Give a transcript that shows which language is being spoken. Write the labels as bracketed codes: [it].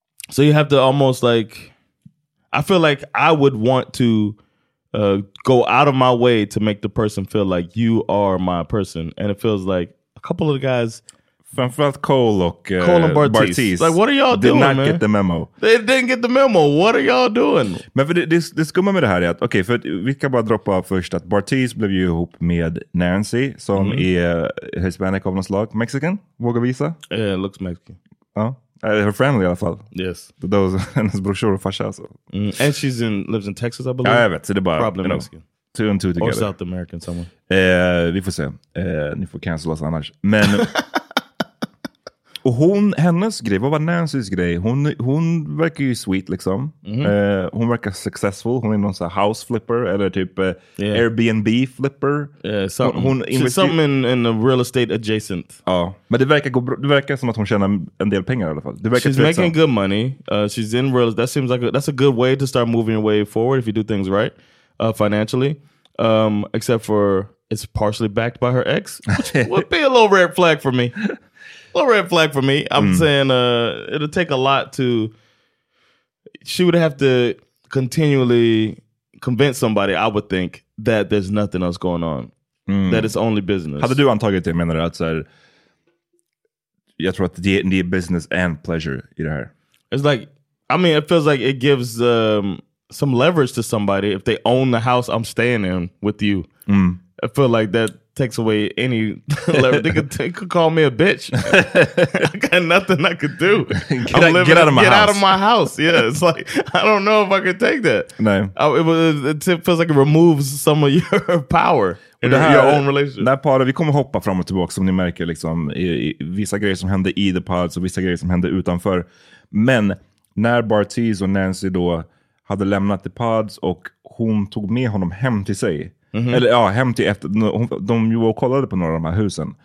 [en] So you have to almost like, I feel like I would want to go out of my way to make the person feel like you are my person. And it feels like a couple of the guys, [sv] framförallt Cole och [en] Bartiz, like, what are y'all doing, man? Did not get the memo. They didn't get the memo. What are y'all doing? [sv] Men för det skumma med det här är att, okej, okay, för vi kan bara droppa först att Bartiz blev ju ihop med Nancy, som mm-hmm. är hispanic av något slag. Mexican, vågar visa? [en] Yeah, it looks Mexican. [sv] Ja. [en] Her family [sv] i alla fall. [en] Yes. [sv] Det var hennes brorsor och farsa. Alltså. Mm. [en] And she's in, lives in Texas, I believe. [sv] Ja, jag vet. Så det är bara, [en] probably Mexican. Two and two together. Or South American someone. [sv] Vi får se. Ni får cancel oss annars. Men... Och hon, hennes grej, vad var Nancy's grej? Hon verkar ju sweet liksom. Mm-hmm. Hon verkar successful. Hon är någon sån här [en] house flipper [sv] eller typ yeah. [en] Airbnb flipper. Yeah, something in the real estate adjacent. [sv] Ja, men det verkar som att hon tjänar en del pengar i alla fall. Det [en] she's [sv] tveksam. [en] Making good money. She's in real estate. That seems like that's a good way to start moving your way forward if you do things right financially. Except for it's partially backed by her ex. Would be a little red flag for me. Little red flag for me. I'm saying it'll take a lot to. She would have to continually convince somebody, I would think, that there's nothing else going on. Mm. That it's only business. How to do on target to men that said, you have to need business and pleasure. You know, it's like, I mean, it feels like it gives some leverage to somebody if they own the house I'm staying in with you. Mm. I feel like that. Takes away any leverage. They could call me a bitch. I got nothing I could do. Get out of my house. Yeah, it's like I don't know if I could take that. No, it feels like it removes some of your power in your own relationship. That part of you [sv] kommer hoppa fram och tillbaka som ni märker, liksom vissa grejer som hände i [en] the pods [sv] och vissa grejer som hände utanför. Men när Bartiz och Nancy då hade lämnat [en] the pods [sv] och hon tog med honom hem till sig. Mm-hmm. Eller ja, hem till efter de ju och kollade på några av de här husen.